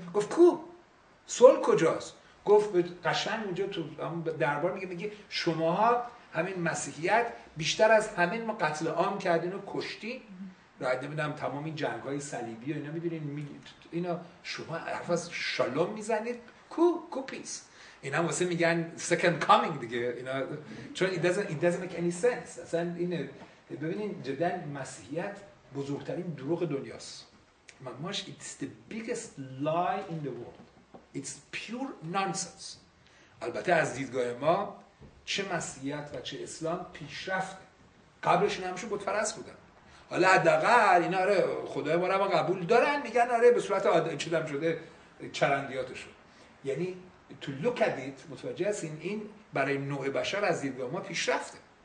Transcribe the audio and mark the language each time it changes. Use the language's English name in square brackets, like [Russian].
[Persian] گفت کو صلح کجاست؟ گفت قشنگ اونجا تو دربار میگه شماها همین مسیحیت بیشتر از همه ما قتل عام کردین و کشتی راحت نمیدونم تمام این جنگ‌های صلیبی و اینا میدونین اینا شما حرف از شالوم میزنید کو پیس اینا واسه میگن سکند کامینگ دیگه اینا چون it doesn't make any sense. اصلا این ببینین جدا مسیحیت بزرگترین دروغ دنیاست. [English] ماش it's the biggest lie in the world. It's pure nonsense. [Persian] البته از دیدگاه ما چه مسیحیت و چه اسلام پیشرفت. قبلش اینا همشون بت‌پرست بودن. حالا حداقل اینا آره خدای ما رو قبول دارن میگن آره به صورت عادی چدم شده چرندیاتشون. یعنی to look at it متوجه هستین این برای نوع بشر از دیدگاه ما پیشرفته.